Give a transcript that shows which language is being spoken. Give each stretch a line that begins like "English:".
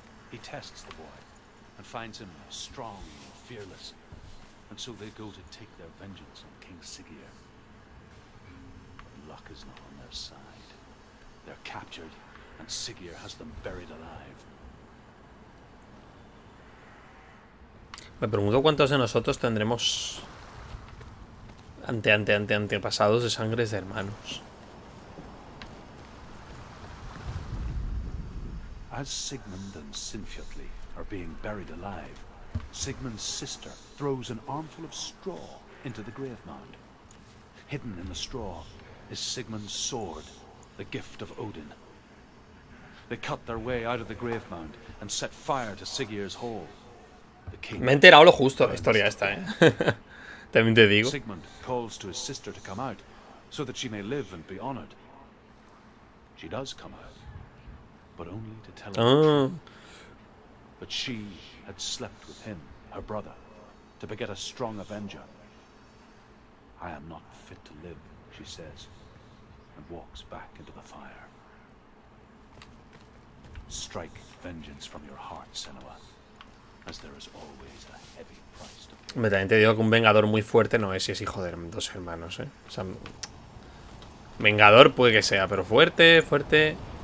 English: He tests the boy and finds him strong. Fearless, and so they go to take their vengeance on King Siggeir. Luck is not on their side. They're captured, and Siggeir has them buried alive.
Spanish: Me pregunto cuántos de nosotros tendremos antepasados de sangres de hermanos.
English: As Sigmund and Sinfjotli are being buried alive, Sigmund's sister throws an armful of straw into the grave mound. Hidden in the straw is Sigmund's sword, the gift of Odin. They cut their way out of the grave mound and set fire to Siggeir's hall. The king.
Spanish: Me he enterado lo justo la historia esta, ¿eh? También te digo.
English: Sigmund calls to his sister to come out so that she may live and be honored. She does come out, but only to tell him. But she had slept with him, her brother, to beget a strong avenger. I am not fit to live, she says, and walks back into the fire. Strike vengeance from your heart, Senua, as there is always a heavy price to pay.
Spanish: Me también te digo que un vengador muy fuerte no es si es hijo de dos hermanos, ¿eh? O sea, vengador puede que sea, pero fuerte, fuerte.